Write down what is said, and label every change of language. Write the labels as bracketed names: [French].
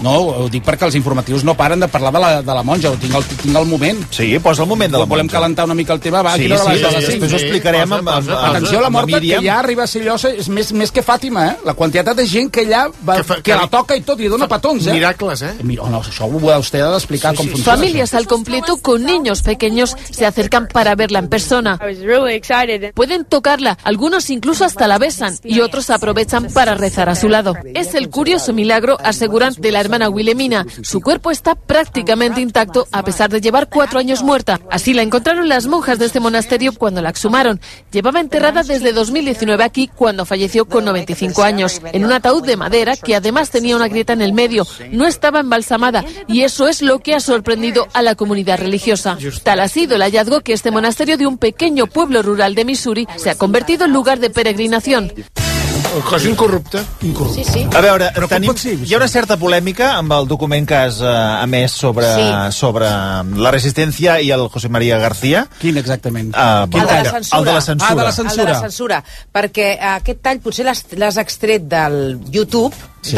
[Catalan] No, ho dic perquè els informatius no paren de parlar de la monja. Tinc el moment. Sí, posa el moment de la volem Volem calentar una mica el tema. Va, sí, sí, després ho explicarem amb... Atenció, la morta que ja arriba a ser llosa és més que Fàtima, eh? La quantitat de gent que allà... Que la toca i tot, i dona petons, eh? Miracles, eh? Mira, no, això ho veu usted d'explicar com funciona. [Spanish] Famílies al completo con niños pequeños se acercan para verla en persona. Pueden tocarla, algunos incluso hasta la besan y otros aprovechan para rezar a su lado. Es el curioso milagro, aseguran, de la hermana Wilhelmina. Su cuerpo está prácticamente intacto a pesar de llevar 4 años muerta. Así la encontraron las monjas de este monasterio cuando la exhumaron. Llevaba enterrada desde 2019 aquí cuando falleció con 95 años, en un ataúd de madera que además tenía una grieta en el medio. No estaba embalsamada y eso es lo que ha sorprendido a la comunidad religiosa. Tal ha sido el hallazgo que este monasterio de un pequeño pueblo rural de Missouri se ha convertido en lugar de peregrinación. [Catalan] Cosa incorrupta. Incorrupta. Sí, sí. A veure, hi ha una certa polèmica amb el document que has emès sobre la resistència i el José María García. Quin exactament? El de la censura. Perquè aquest tall potser l'has extret del YouTube, sí.